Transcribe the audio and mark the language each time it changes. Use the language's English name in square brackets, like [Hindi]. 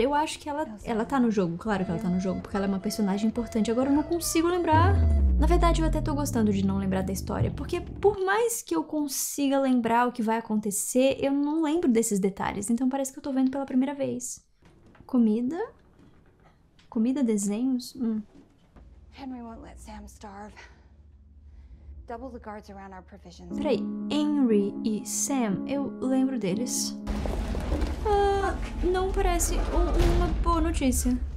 [Portuguese] Eu acho que ela tá no jogo. Claro que ela tá no jogo, porque ela é uma personagem importante. Agora eu não consigo lembrar. Na verdade, eu até tô gostando de não lembrar da história. Porque por mais que eu consiga lembrar o que vai acontecer, eu não lembro desses detalhes. Então parece que eu tô vendo pela primeira vez. Comida? Comida, desenhos? [English] Henry won't let Sam starve. Double the guards around our provisions. [Portuguese] Peraí, Henry e Sam, eu lembro deles. Não parece uma boa notícia.